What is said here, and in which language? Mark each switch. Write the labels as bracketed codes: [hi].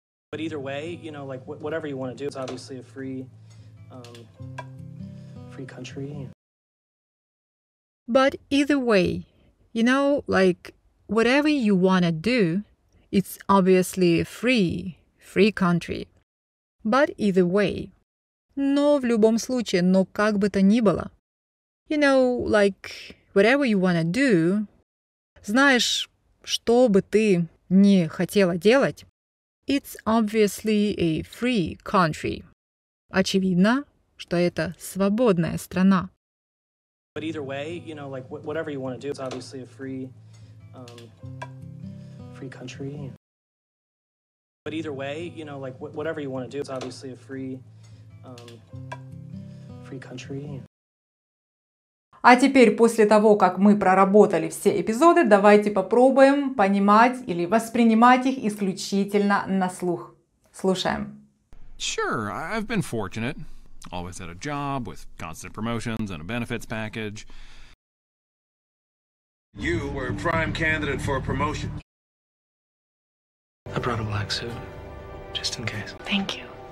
[en] But either way, you know, like, whatever you want to do, it's obviously a free, free country. But either way, you know, like, whatever you want to do, it's obviously a free country. But either way. [ru] Но в любом случае, но как бы то ни было. [en] You know, like, whatever you want to do. [ru] Знаешь, что бы ты не хотела делать. [en] It's obviously a free country. [ru] Очевидно, что это свободная страна. [en] But either way, you know, like, whatever you want to do, it's obviously a free, free country. But either way, you know, like, whatever you want to do, it's obviously a free, free country. [ru] А теперь, после того, как мы проработали все эпизоды, давайте попробуем понимать или воспринимать их исключительно на слух. Слушаем. [en] Sure, I've been fortunate. Always had a job with constant promotions and a benefits package. You were a prime candidate for a promotion. I brought a black suit, just in case. Thank you.